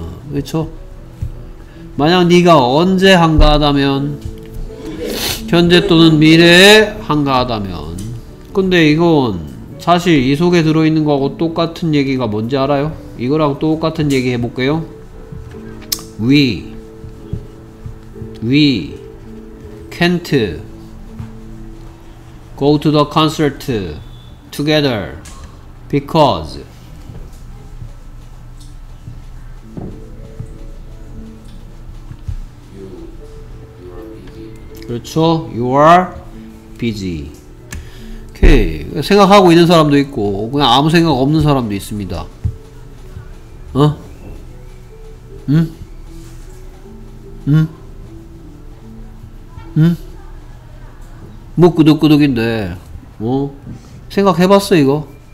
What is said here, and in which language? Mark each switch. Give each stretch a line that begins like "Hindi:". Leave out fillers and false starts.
Korean: 그렇죠? 만약 네가 언제 한가하다면, 현재 또는 미래에 한가하다면. 근데 이건 사실 이 속에 들어있는 거하고 똑같은 얘기가 뭔지 알아요? 이거랑 똑같은 얘기 해볼게요.
English: We can't go to the concert together because
Korean: 그렇죠?
English: You are busy. 오케이.
Korean: 생각하고 있는 사람도 있고 그냥 아무 생각 없는 사람도 있습니다. 어? 뭐 끄덕끄덕인데 뭐 생각해봤어 이거?